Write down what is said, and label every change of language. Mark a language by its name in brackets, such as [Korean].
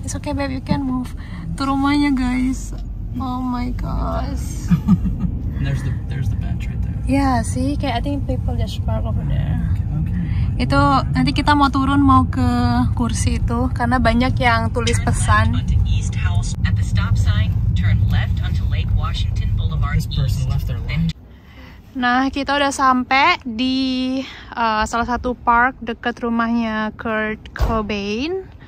[English] It's okay, babe, you can move. [Indonesian] Itu rumahnya, guys. [English] Oh my gosh. There's the bench right there. Yeah, see, kayak I think people just park over there. Okay. [Indonesian] Itu nanti kita mau turun mau ke kursi itu karena banyak yang tulis pesan. [English] Turn left onto East House at the stop sign. Turn left onto Lake Washington Boulevard. This person left their line. [Indonesian] Nah, kita udah sampai di salah satu park dekat rumahnya Kurt Cobain.